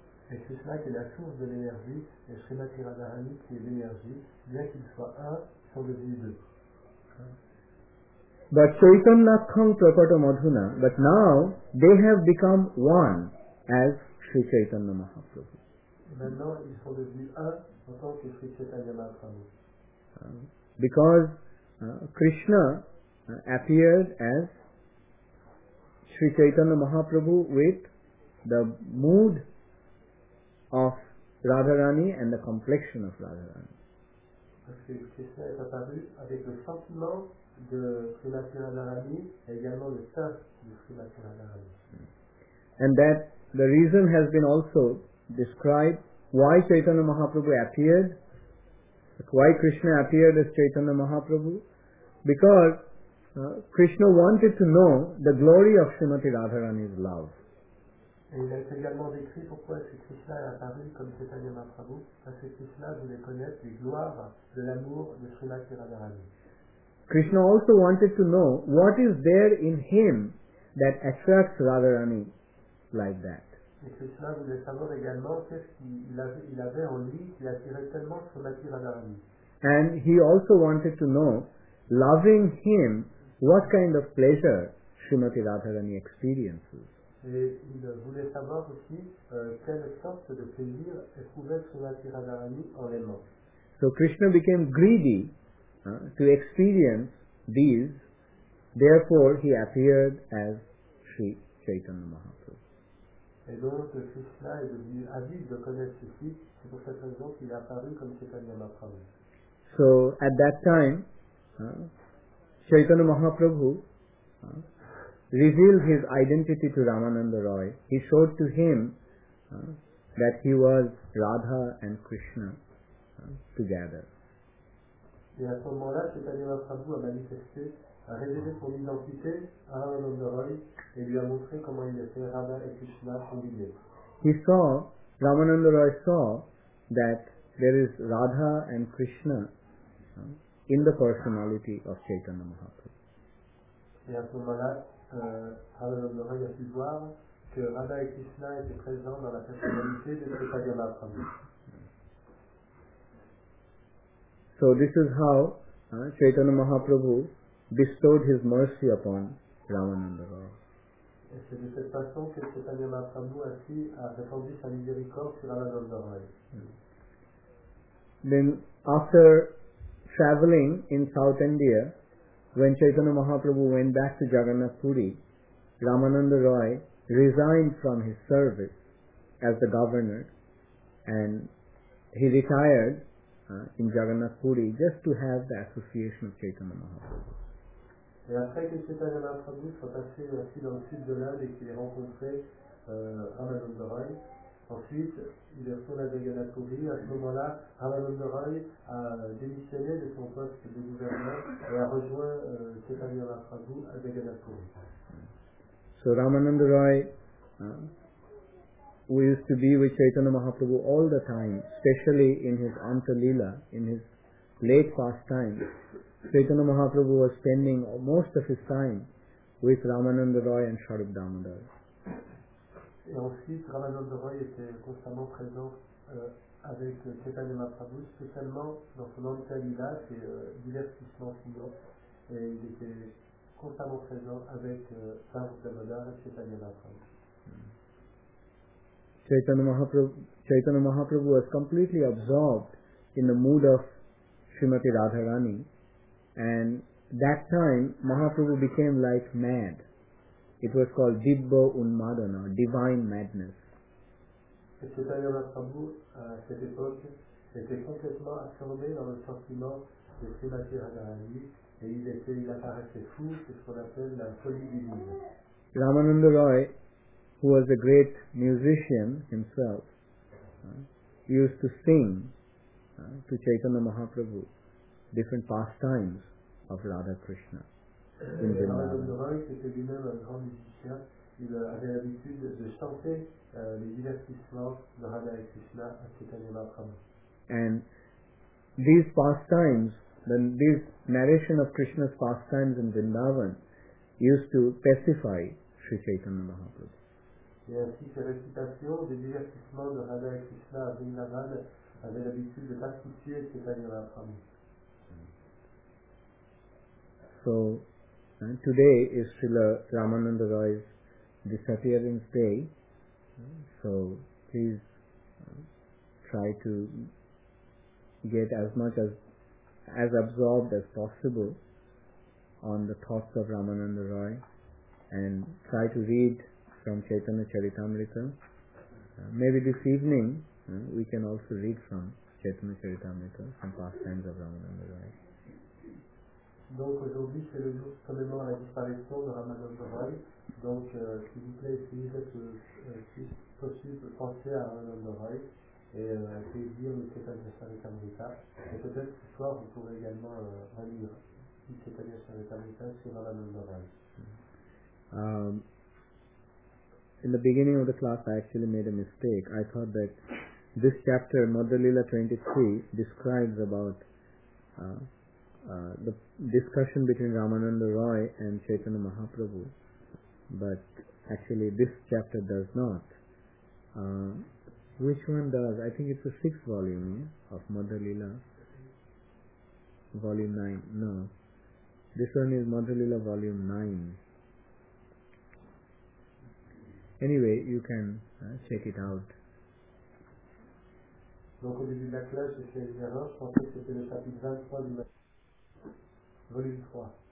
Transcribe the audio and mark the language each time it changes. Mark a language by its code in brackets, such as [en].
[fr] Et Krishna qui est la source de l'énergie, et Srimati Radharani qui est l'énergie, bien qu'ils soient un, sont devenus deux. [en] But [sa] Chaitanakham Prakata Madhuna, [en] but now they have become one as Sri Chaitanya Mahaprabhu. [fr] Maintenant ils sont devenus un en tant que Sri Chaitanya Mahaprabhu. [en] Because Krishna appears as Sri Chaitanya Mahaprabhu with the mood of Radharani and the complexion of Radharani. [fr] Parce que Krishna est apparu avec le sentiment de Srimati Radharani et également le teint de Srimati Radharani. [en] And that the reason has been also described why Chaitanya Mahaprabhu appeared, why Krishna appeared as Chaitanya Mahaprabhu, because Krishna wanted to know the glory of Srimati Radharani's love. [fr] Et il a également décrit pourquoi est-ce que Krishna est apparu comme Chaitanya Mahaprabhu, parce que Krishna voulait connaître les gloires de l'amour de Srimati Radharani. [en] Krishna also wanted to know what is there in him that attracts Radharani like that. [fr] Et Krishna voulait savoir également qu'est-ce qu'il avait en lui qui attirait tellement Srimati Radharani. [en] And he also wanted to know, loving him, what kind of pleasure Srimati Radharani experiences. [fr] Et il voulait savoir aussi quelle sorte de plaisir éprouvait Srimati Radharani en l'aimant. [en] So Krishna became greedy to experience these, therefore he appeared as Sri Chaitanya Mahaprabhu. [fr] Et donc Krishna est devenu avide de connaître ceci, c'est pour cette raison qu'il est apparu comme Chaitanya Mahaprabhu. [en] So at that time, Chaitanya Mahaprabhu revealed his identity to Ramananda Roy. He showed to him that he was Radha and Krishna together. [fr] Et à ce moment-là, Chaitanya Mahaprabhu a manifesté, a révélé son identité à Ramananda Roy et lui a montré comment il était Radha et Krishna combinés. [en] He saw, Ramananda Roy saw that there is Radha and Krishna in the personality of Chaitanya Mahaprabhu. [fr] Et à ce moment-là, Ramananda Roy a pu voir que Radha et Krishna étaient présents dans la personnalité de Chaitanya Mahaprabhu. [en] So this is how Chaitanya Mahaprabhu bestowed his mercy upon Ramananda Roy. [fr] Et c'est de cette façon que Chaitanya Mahaprabhu ainsi a répandu sa miséricorde sur Ramananda Roy. [en] Then after traveling in South India, when Chaitanya Mahaprabhu went back to Jagannath Puri, Ramananda Roy resigned from his service as the governor and he retired in Jagannath Puri just to have the association of Chaitanya Mahaprabhu. [fr] Et après que Chaitanya Mahaprabhu soit passé aussi dans le sud de l'Inde et qu'il ait rencontré Ramananda Roy, ensuite, il est retourné à Jagannath Puri. À ce moment-là, Ramananda Roy a démissionné de son poste de gouverneur et a rejoint Chaitanya Mahaprabhu à Jagannath Puri. [en] So Ramananda Roy, who used to be with Chaitanya Mahaprabhu all the time, especially in his Antalila, in his late past time, Chaitanya Mahaprabhu was spending most of his time with Ramananda Roy and Sharup Damodar. [fr] Et ensuite, Ramananda Roy était constamment présent avec Chaitanya Mahaprabhu, spécialement dans son Antalila, ses divertissements suivants. Et il était constamment présent avec Sharup Damodar et Chaitanya Mahaprabhu. [en] Chaitanya Mahaprabhu was completely absorbed in the mood of Srimati Radharani, and that time Mahaprabhu became like mad. It was called Dibba Unmadana, divine madness. [fr] Chaitanya Mahaprabhu à cette époque était complètement absorbé dans le sentiment de Srimati Radharani et il apparaissait fou, c'est ce qu'on appelle la folie divine. [en] Ramananda Roy, who was a great musician himself, used to sing to Chaitanya Mahaprabhu different pastimes of Radha Krishna in Vrindavan. [fr] Ramananda Roy, qui était lui-même un grand musicien, il avait l'habitude de chanter les divertissements de Radha et Krishna à Chaitanya Mahaprabhu. [en] And these pastimes, then this narration of Krishna's pastimes in Vrindavan used to pacify Sri Chaitanya Mahaprabhu. [fr] Et ainsi, ces récitations des divertissements de Radha et Krishna à Vrindavan avaient l'habitude de pacifier Chaitanya Mahaprabhu. [en] So, today is Srila Ramananda Roy's disappearance day. So, please try to get as absorbed as possible on the thoughts of Ramananda Roy and try to read from Chaitanya Charitamrita. Maybe this evening we can also read from Chaitanya Charitamrita, some pastimes of Ramananda Roy. [fr] Donc aujourd'hui c'est le jour solennel à la disparition de Ramananda Roy. Donc s'il vous plaît, essayez d'être si possible penser à Ramananda Roy et essayez de lire le Chaitanya Charitamrita. Et peut-être ce soir vous pourrez également relire le Chaitanya Charitamrita sur Ramananda Roy. [en] In the beginning of the class, I actually made a mistake. I thought that this chapter, Madhulila 23, describes about the discussion between Ramananda Roy and Chaitanya Mahaprabhu, but actually this chapter does not. Which one does? I think it's the sixth volume of Madhulila, volume 9. No, this one is Madhulila volume 9. Anyway, you can check it out. [fr] Donc au début de la classe, j'ai fait une erreur. Je pensais que c'était le chapitre 23 du volume 3.